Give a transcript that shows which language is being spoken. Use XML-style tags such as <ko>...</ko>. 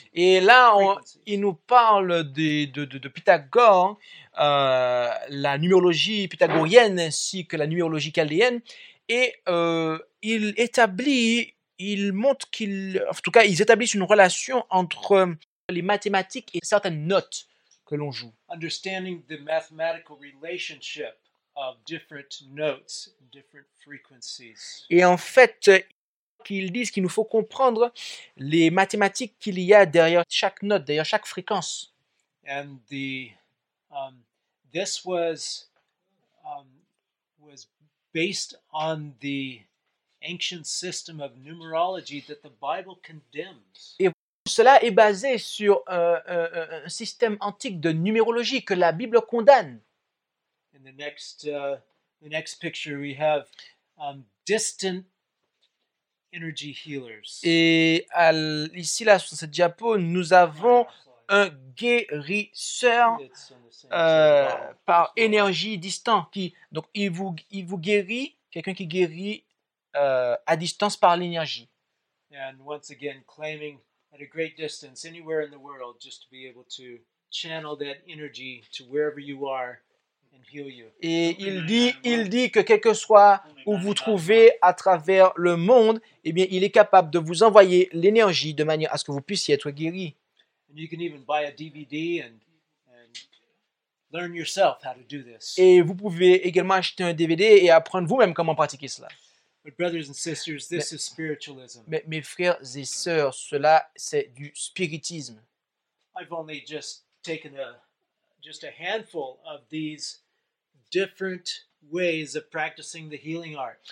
<fr>Et là, il nous parle de Pythagore, la numérologie pythagorienne ainsi que la numérologie chaldéenne, et il établit. Ils montrent qu'ils, en tout cas, ils établissent une relation entre les mathématiques et certaines notes que l'on joue.</fr> <en>Understanding the mathematical relationship of different notes, different frequencies.</en> <fr>Et en fait, ils disent qu'il nous faut comprendre les mathématiques qu'il y a derrière chaque note, derrière chaque fréquence.</fr> <en>And the this was was based on the ancient system of numerology that the Bible condemns.</en> <fr>Et cela est basé sur un système antique de numérologie que la Bible condamne.</fr> <en>In the next picture we have distant energy healers.</en> <fr>Et ici là sur cette diapo, nous avons un guérisseur par énergie distante qui donc il vous guérit, quelqu'un qui guérit à distance par l'énergie.</fr> <en>And once again claiming at a great distance anywhere in the world just to be able to channel that energy to wherever you are and heal you.</en> <fr>Et il dit que quel que soit où vous trouvez à travers le monde, eh bien il est capable de vous envoyer l'énergie de manière à ce que vous puissiez être guéri.</fr> <en>And you can even buy a DVD and learn yourself how to do this.</en> <fr>Et vous pouvez également acheter un DVD et apprendre vous-même comment pratiquer cela.</fr> <en>But brothers and sisters, this is spiritualism.</en> <fr>Mais mes frères et sœurs, cela c'est du spiritisme.</fr> <en>I've only just taken a handful of these different ways of practicing the healing art.</en>